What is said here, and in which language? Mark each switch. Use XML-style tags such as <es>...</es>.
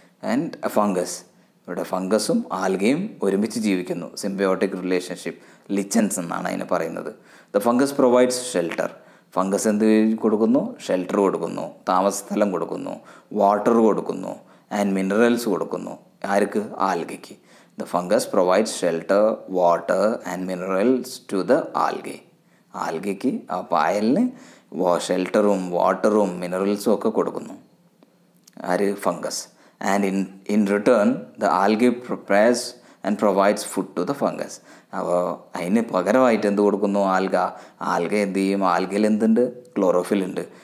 <ml>And A fungus, ഇവിടെ ഫംഗസും ആൽഗയും ഒരുമിച്ച് ജീവിക്കുന്നു. സിംബയോട്ടിക് റിലേഷൻഷിപ്പ് ലിച്ചൻസ് എന്നാണ് അതിനെ പറയുന്നത്.</ml> <en>The fungus provides shelter.</en> <ml>Fungus എന്ത് കൊടുക്കുന്നു? ഷെൽട്ടർ കൊടുക്കുന്നു, താമസ സ്ഥലം കൊടുക്കുന്നു, വാട്ടർ കൊടുക്കുന്നു, ആൻഡ് മിനറൽസ് കൊടുക്കുന്നു. ആർക്ക്? ആൽഗയ്ക്ക്. The</ml> <en>The fungus provides shelter, water and minerals to the algae.</en> <ml>ആൽഗയ്ക്ക് ആ പായലിന് ഷെൽട്ടറും വാട്ടറും മിനറൽസും ഒക്കെ കൊടുക്കുന്നു. ആര്? Fungus.</ml> <en>And in in return the algae prepares and provides food to the fungus.</en> <ml>അപ്പോൾ അതിന് പകരമായിട്ട് എന്ത് കൊടുക്കുന്നു? ആൽഗ. ആൽഗ എന്ത് ചെയ്യും? ആൽഗയിൽ എന്തുണ്ട്? ക്ലോറോഫിൽ ഉണ്ട്.</ml>